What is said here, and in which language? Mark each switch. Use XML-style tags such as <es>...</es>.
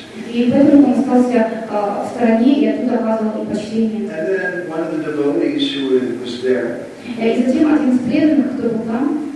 <ru>И поэтому он остался в стороне и оттуда оказывал им почтение.</ru> <en>And then one of the devotees who was there,</en> <ru>и затем один из преданных, кто был там,</ru>